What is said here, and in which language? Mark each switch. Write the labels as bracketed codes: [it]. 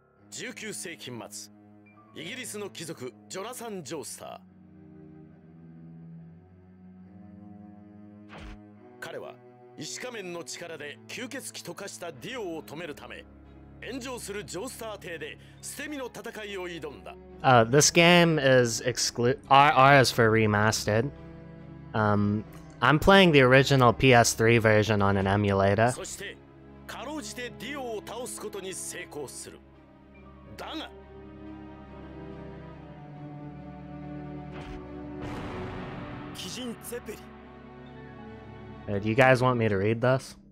[ja] 19世紀末、イギリスの貴族ジョナサン・ジョースター。彼は石仮面の力で吸血鬼と化したディオを止めるため、炎上するジョースター邸で捨て身の戦いを挑んだ。 [en] This game is RR is for remastered. I'm playing the original PS3 version on an emulator. [ja] そして、かろうじてディオを倒すことに成功する。 [en] Do you guys want me to read this?